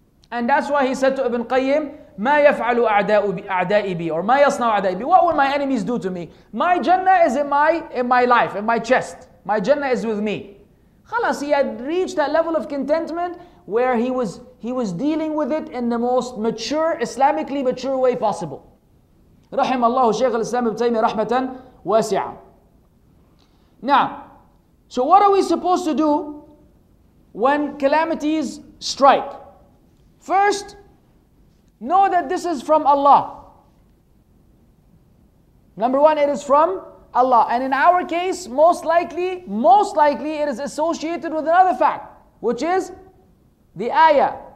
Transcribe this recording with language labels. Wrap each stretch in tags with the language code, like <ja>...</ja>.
<en>And that's why he said to Ibn Qayyim,</en> <ar>مَا يَفْعَلُ أَعْدَائِ بِي</ar> <en>or</en> <ar>مَا يَصْنَعُ أَعْدَائِ بِي.</ar> <en>What will my enemies do to me? My Jannah is in my life, in my chest. My Jannah is with me. خلاص, he had reached that level of contentment where he was dealing with it in the most mature, Islamically mature way possible.</en> <ar>رحم الله شيخ الإسلام ابن تيمية رحمة واسعة.</ar> <en>Now, so what are we supposed to do when calamities strike? First, know that this is from Allah. Number one, it is from Allah. And in our case, most likely, it is associated with another fact, which is the ayah.</en>